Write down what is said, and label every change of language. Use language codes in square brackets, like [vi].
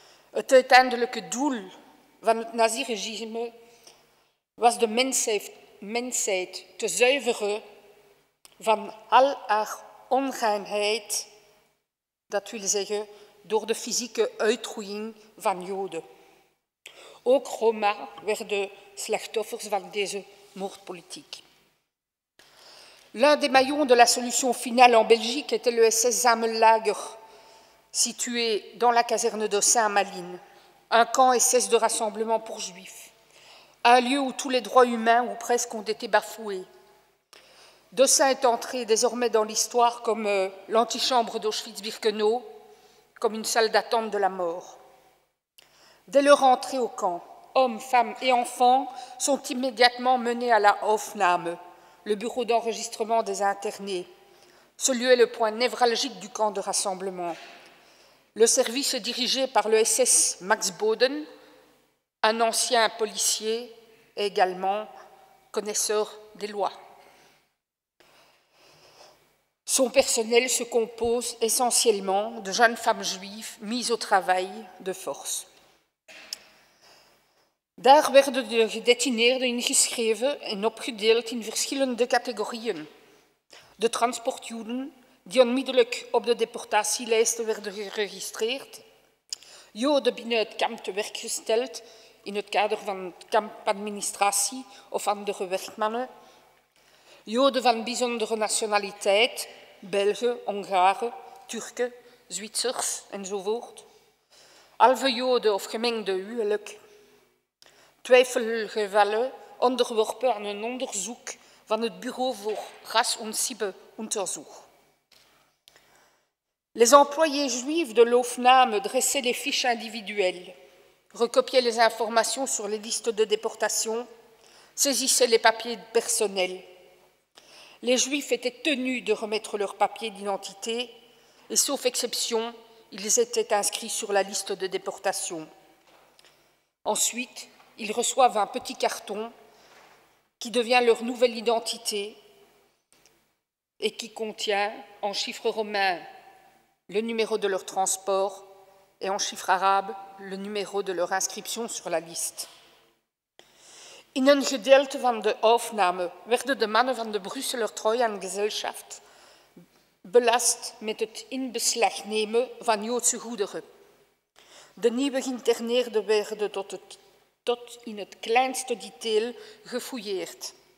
[nl] Het uiteindelijke doel van het naziregime was de mensheid te zuiveren van al haar onreinheid, dat wil zeggen door de fysieke uitroeiing van Joden. Ook Roma werden slachtoffers van deze moordpolitiek. [fr] L'un des maillons de la solution finale en Belgique était le SS Zamenlager, situé dans la caserne de Saint-Malines, un camp SS de rassemblement pour juifs, un lieu où tous les droits humains ou presque ont été bafoués. Dessin est entré désormais dans l'histoire comme l'antichambre d'Auschwitz-Birkenau, comme une salle d'attente de la mort. Dès leur entrée au camp, hommes, femmes et enfants sont immédiatement menés à la Aufnahme, le bureau d'enregistrement des internés. Ce lieu est le point névralgique du camp de rassemblement. Le service est dirigé par le SS Max Boden, un ancien policier et également connaisseur des lois. Son personnel se compose essentiellement de jeunes femmes juives mises au travail de force. [nl] Daar werden de gedetineerden ingeschreven en opgedeeld in verschillende categorieën. De transportjoden, die onmiddellijk op de deportatielijsten werden geregistreerd. Joden binnen het kamp te werk gesteld in het kader van kampadministratie of andere werkmannen. Joden van bijzondere nationaliteit, Belgen, Hongaren, Turken, Zwitsers enzovoort. Halve Joden of gemengde huwelijk. Twijfelgevallen onderworpen aan een onderzoek van het Bureau voor Ras- en Sibbe-Unterzoek. [fr] Les employés juifs de l'Aufnahme dressaient les fiches individuelles, recopiaient les informations sur les listes de déportation, saisissaient les papiers personnels. Les juifs étaient tenus de remettre leurs papiers d'identité et, sauf exception, ils étaient inscrits sur la liste de déportation. Ensuite, ils reçoivent un petit carton qui devient leur nouvelle identité et qui contient en chiffres romains le numéro de leur transport et en chiffres arabes le numéro de leur inscription sur la liste. [nl] In een gedeelte van de opname werden de mannen van de Brusseler Treuhandgesellschaft belast met het inbeslag nemen van Joodse goederen. De nieuwe geïnterneerden werden tot in het kleinste detail gefouilleerd.